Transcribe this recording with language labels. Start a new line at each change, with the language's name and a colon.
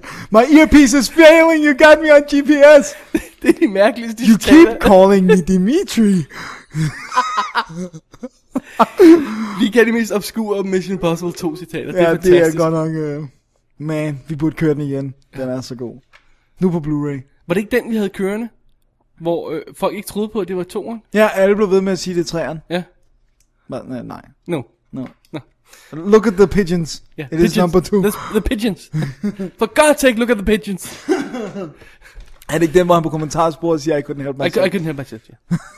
English: My earpiece is failing, you got me on GPS!
Danish: Det er de mærkeligste, de
English: You
Danish: citater.
English: Keep calling me Dimitri!
Danish: Vi kan de mest obskure Mission Impossible 2 citater. Ja, det er godt nok. Man, vi burde køre den igen. Den er så god. Nu på Blu-ray. Var det ikke den, vi havde kørende? Hvor folk ikke troede på, at det var toeren. Ja, alle blev ved med at sige, det er træeren. Ja. Men nej.
English: No. Look at the pigeons. Yeah, it pigeons. Is number two. The pigeons. For God's sake, look at the pigeons.
Danish: Er det ikke den, hvor han på kommentarsporet siger,
English: I couldn't help myself? I couldn't help myself, ja.